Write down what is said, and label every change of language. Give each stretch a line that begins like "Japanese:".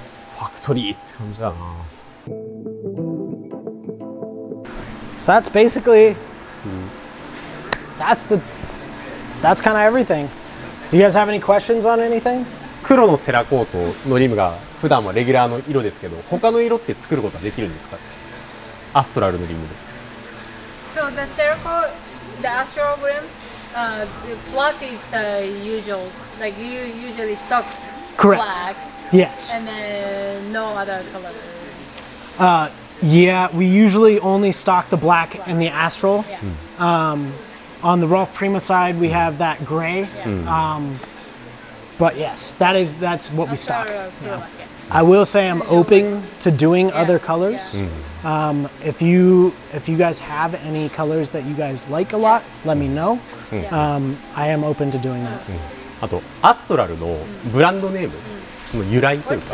Japanese: Factory って感じだな。
English: So that's basically, that's kind of everything. Do you guys have any questions on anything?
Japanese: 黒のセラコートのリムが普段はレギュラーの色ですけど、他の色って作ることはできるんですか？アストラルのリムで。
English: So the Seracote, the Astral rims, the black is the usual, like you usually stock black. Correct. Yes. And then no other color. Yeah, we usually only stock the black and the Astral. Yeah. On the Rolf Prima side, we have that gray. Yeah. But yes, that's what Astral we stock. Prima, yeah. Yes. I will say I'm open to doing other colors. Yeah. Mm-hmm. If you guys have any colors that you guys like a lot, let me know. I am open to doing that.
Japanese: あと、アストラルのブランドネームの由来というか。